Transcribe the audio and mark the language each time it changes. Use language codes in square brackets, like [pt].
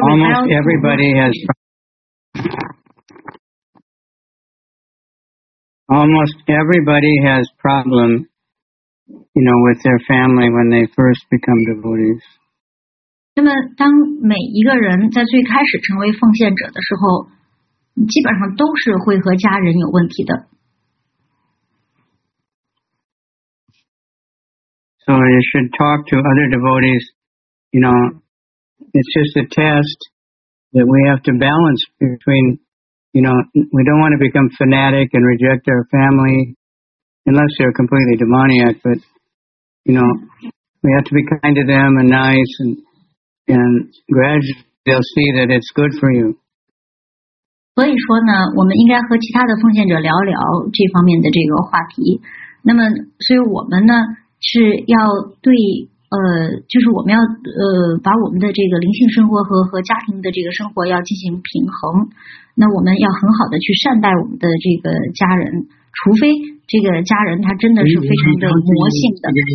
[en] almost everybody has problem, you know, with their family when they first become devotees. [zh] 那么当每一个人在最开始成为奉献者的时候基本上都是会和家人有问题的。 [en] So you should talk to other devotees, you know, it's just a test that we have to balance between, you know, we don't want to become fanatic and reject our family, unless they're completely demoniac, but, you know, we have to be kind to them and nice and gradually they'll see that it's good for you. [zh] 所以说呢，我们应该和其他的奉献者聊聊这方面的这个话题。那么，所以我们呢是要对就是我们要把我们的这个灵性生活和家庭的这个生活要进行平衡那我们要很好的去善待我们的这个家人除非这个家人他真的是非常的魔性的